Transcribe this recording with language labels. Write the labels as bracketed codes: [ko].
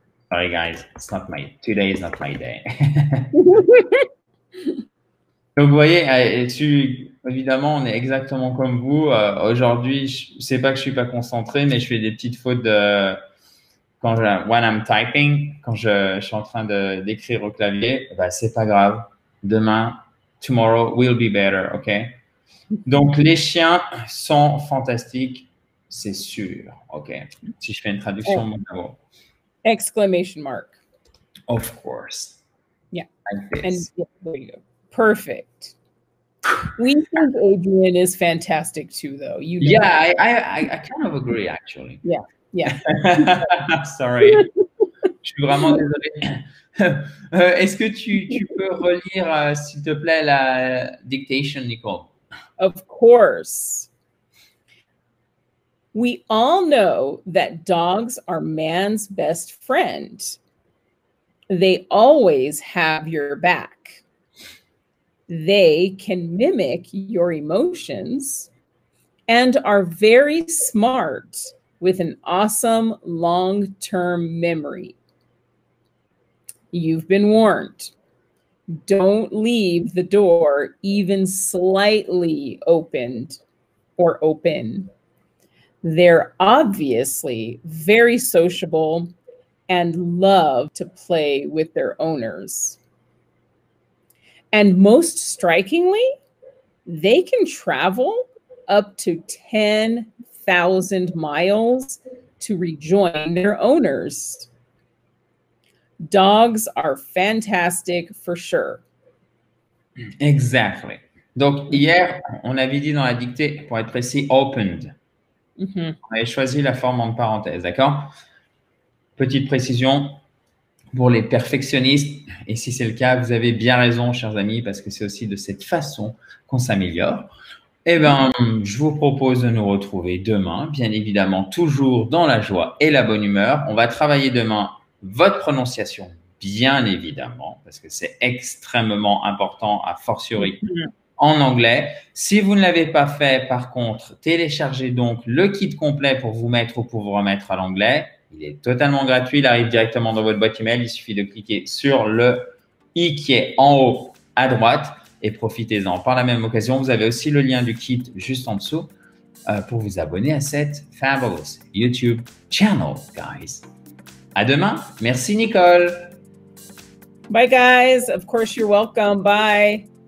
[en] Sorry guys, it's not my, today is not my day. [fr] Donc vous voyez, évidemment, on est exactement comme vous. Aujourd'hui, c'est pas que je suis pas concentré, mais je fais des petites fautes de quand je suis en train d'écrire au clavier. Bah c'est pas grave. Demain, [en] tomorrow will be better, [fr] ok. Donc les chiens sont fantastiques, c'est sûr, ok. Si je fais une traduction, mon amour. [en] Exclamation mark. Of course. Yeah. Like this. And there you go. Perfect. We think Adrian is fantastic too, though. You know. Yeah, I kind of agree, actually. Yeah, yeah. Sorry. [fr] Je suis vraiment désolé. Est-ce que tu peux relire, s'il te plaît, la dictation, Nicole? [en] Of course. We all know that dogs are man's best friend. They always have your back. They can mimic your emotions and are very smart with an awesome long-term memory. You've been warned. Don't leave the door even slightly opened or open. They're obviously very sociable and love to play with their owners. And most strikingly, they can travel up to 10,000 miles to rejoin their owners. Dogs are fantastic for sure. Exactly. [fr] Donc hier, on avait dit dans la dictée, pour être précis, opened. Mm-hmm. On avait choisi la forme en parenthèse, d'accord? Petite précision. Pour les perfectionnistes, et si c'est le cas, vous avez bien raison, chers amis, parce que c'est aussi de cette façon qu'on s'améliore. Eh bien, je vous propose de nous retrouver demain, bien évidemment, toujours dans la joie et la bonne humeur. On va travailler demain votre prononciation, bien évidemment, parce que c'est extrêmement important, a fortiori, en anglais. Si vous ne l'avez pas fait, par contre, téléchargez donc le kit complet pour vous mettre ou pour vous remettre à l'anglais. Il est totalement gratuit, il arrive directement dans votre boîte email. Il suffit de cliquer sur le i qui est en haut à droite et profitez-en. Par la même occasion, vous avez aussi le lien du kit juste en dessous pour vous abonner à cette [en] fabulous YouTube channel, guys. [fr] À demain. Merci, Nicole. [en] Bye, guys. Of course, you're welcome. Bye.